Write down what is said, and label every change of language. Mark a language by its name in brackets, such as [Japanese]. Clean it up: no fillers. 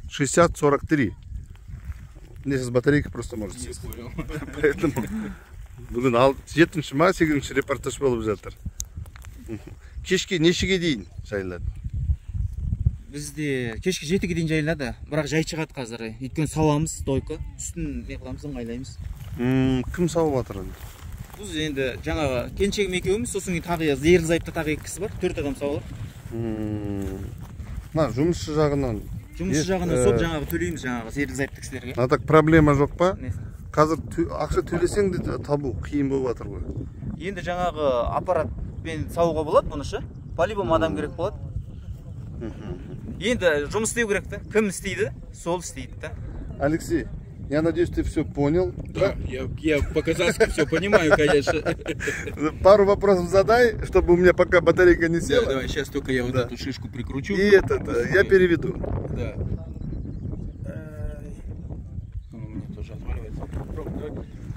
[Kazakh] 6043 [Russian] мне сейчас батарейка просто может поэтому [Kazakh] бүгін 7-ші ма 8-ші репортаж болып жатыр кешке нешеге дейін жайылады бізде кешке 7-ге дейін жайылады бірақ жай шығады қазір өйткені сауамыз дойка сүтін неғыламыз ыңғайлаймыз кім сауып жатыр енді біз енді жаңағы келіншегім екеуміз сосын кейін тағы ерлі зайыпты тағы екі кісі бар 4 адам сауып жатыр мына жұмысшы жағынан жұмысшы жағынан сол жаңағы төлейміз жаңағы ерлі зайыпты кісілерге а так проблема жоқ па қазір ақша төлесең де табу қиын болып жатыр ғой енді жаңағы аппарат мен сауға болады бұны ше по-любому адам керек болады енді жұмыс істеу керек та кім істейді сол істейді да [Russian] алексей я надеюсь ты все понял я по-казахски все понимаю конечно пару вопросов задай чтобы у меня пока батарейка не села давай сейчас только я вот эту шишку прикручу и этот я переведу да мне тоже отваливается